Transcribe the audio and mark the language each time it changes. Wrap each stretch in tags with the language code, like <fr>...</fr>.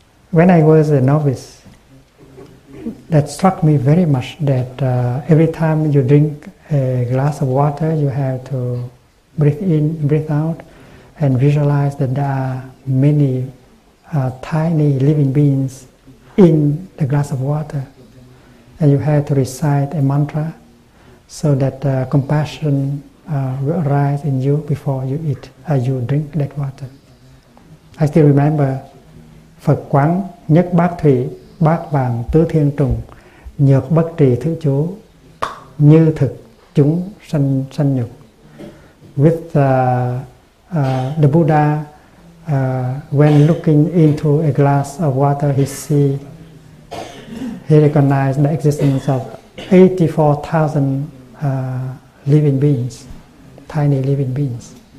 <en>When I was a novice, that struck me very much that every time you drink a glass of water, you have to breathe in, breathe out, and visualize that there are many tiny living beings in the glass of water. And you have to recite a mantra so that compassion will arise in you before you eat, you drink that water. I still remember</en> <vi>Phật quán nhất bát thủy, bát vàng tứ thiên trùng, nhược bất trì thứ chú, như thực chúng sanh sanh nhục.</vi> <en>With the Buddha, when looking into a glass of water, he recognized the existence of 84,000 living beings, tiny living beings.</en>